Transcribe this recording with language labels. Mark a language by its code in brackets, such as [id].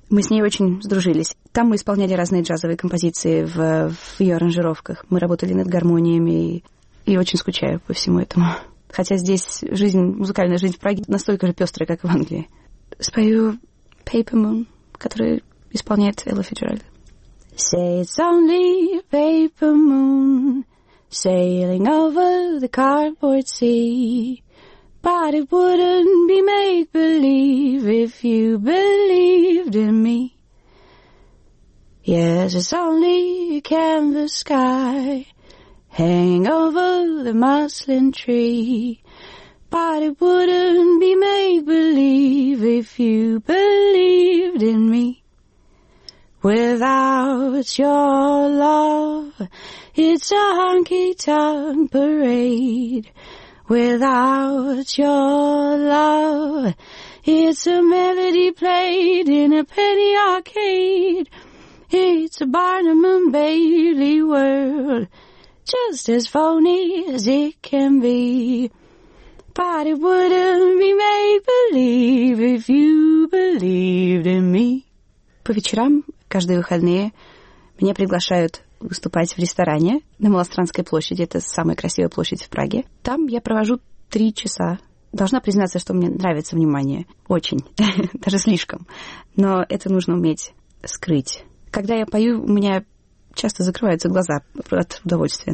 [ru] Мы с ней очень сдружились. Там мы исполняли разные джазовые композиции в ее аранжировках. Мы работали над гармониями, и очень скучаю по всему этому. Хотя здесь музыкальная жизнь в Праге настолько же пестрая, как и в Англии. Спою «Paper Moon», который исполняет Элла Фицджеральд. [en] Say it's only paper moon sailing over the cardboard sea, but it wouldn't be make-believe if you believed in me. Yes, it's only a canvas sky hanging over the muslin tree, but it wouldn't be make-believe if you believed in me. Without your love, it's a honky-tonk parade. Without your love, it's a melody played in a penny arcade. It's a Barnum and Bailey world, just as phony as it can be. But it wouldn't be make-believe if you believed in me. [ru] По вечерам, каждые выходные, меня приглашают выступать в ресторане на Малостранской площади. Это самая красивая площадь в Праге. Там я провожу 3 часа. Должна признаться, что мне нравится внимание. Очень. Даже слишком. Но это нужно уметь скрыть. Когда я пою, у меня часто закрываются глаза от удовольствия.